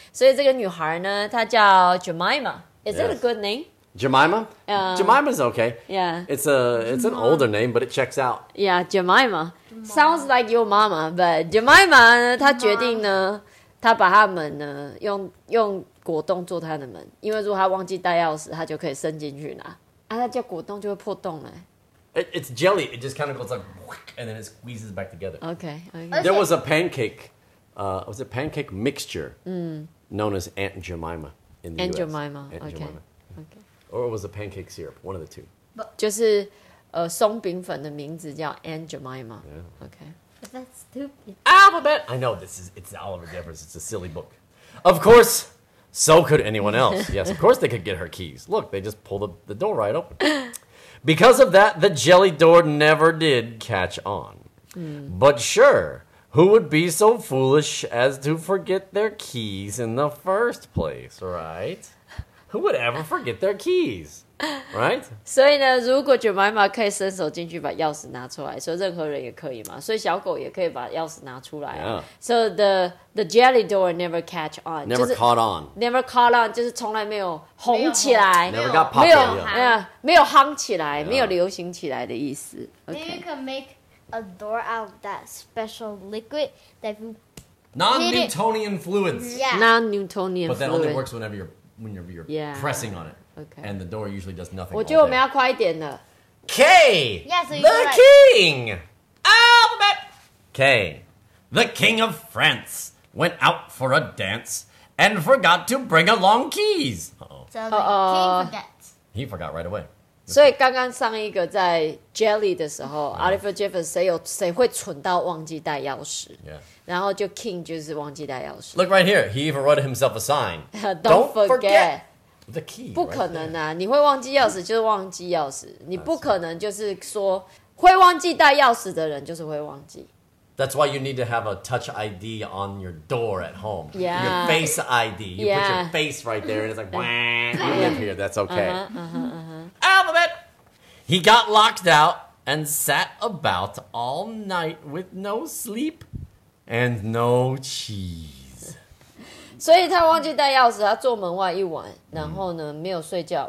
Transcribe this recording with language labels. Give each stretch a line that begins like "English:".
Chinese: 所以呢，果冻呢可以做很多事嘛。你可以吃它，你也可以丢它，你也可以用它来做很多东西。所以这个女孩呢，她叫 Jemima.
English: Is it a good name? Jemima. Jemima's okay. Yeah. It's an older name, but it checks out. Yeah, Jemima sounds like your mama, but
Chinese: Jemima 呢，她决定呢，她把他们呢用果冻做她的门，因为如果她忘记带钥匙，她就可以伸进去拿。啊，她叫果冻就会破洞了。
English: It's jelly. It just kind of goes like, and then it squeezes back together. Okay. There was a pancake. Was it pancake mixture known as Aunt Jemima in the US. Aunt Jemima. Or it was a pancake syrup. One of the two. But
Chinese: 就是松饼粉的名字叫 Aunt Jemima.
English: Yeah. Okay. But that's stupid. Alphabet! I know, it's Oliver Jeffers. It's a silly book. Of course, so could anyone else. Yes, of course they could get her keys. Look, they just pulled the door right open. Because of that, the jelly door never did catch on. But sure, who would be so foolish as to forget their keys in the first place, right? Who would ever forget their keys, right?
Chinese: 所以呢，如果Jemima可以伸手进去把钥匙拿出来，所以任何人也可以嘛。所以小狗也可以把钥匙拿出来。
English: So the jelly door never catch on. Never caught on. Never caught on,
Chinese: 就是从来没有红起来。
English: Never got popular.
Chinese: 没有夯起来，没有流行起来的意思。
English: Maybe you can make a door out of that special liquid that you non-Newtonian fluids. Yeah. Non-Newtonian fluids. But that only works whenever you're pressing on it. Okay. And the door usually does nothing.
Chinese: 我觉得我们要快一点了。
English: K! Yeah, so the king! Alphabet! K. The king of France went out for a dance and forgot to bring along keys. Uh-oh. So the king forgets. He forgot right away.
Chinese: 所以刚刚上一个在 Jelly 的时候 Oliver Jeffers 谁会蠢到忘记带钥匙、
English: yeah.
Chinese: 然后就 King 就是忘记带钥匙
English: Look right here, he even wrote himself a sign Don't forget the key
Chinese: 不可能啊你会忘记钥匙就是忘记钥匙你不可能就是说会忘记带钥匙的人就是会忘记
English: That's why you need to have a touch ID on your door at home、 yeah. Your face ID You、 yeah. put your face right there and it's like wah, you live here, that's okay Alphabet! He got locked out and sat about all night with no sleep and no cheese.
Chinese: 所以他忘记带钥匙，他坐门外一晚，然后呢没有睡觉。